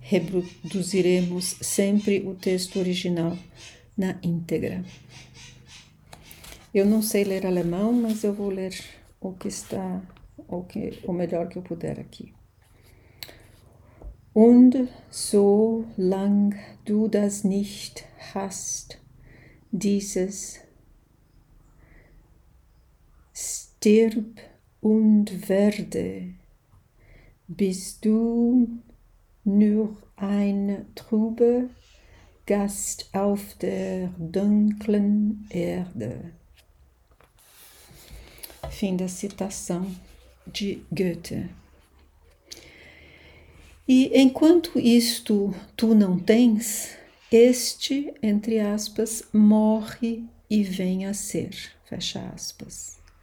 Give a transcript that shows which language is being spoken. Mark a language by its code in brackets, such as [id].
[pt] Reproduziremos sempre o texto original na íntegra. Eu não sei ler alemão, mas eu vou ler o que está, o melhor que eu puder aqui. [de] Und so lang du das nicht hast, dieses stirb und werde, bist du nur ein trüber Gast auf der dunklen Erde. [pt] Fim da citação de Goethe. E enquanto isto tu não tens, este, entre aspas, morre e vem a ser, fecha aspas.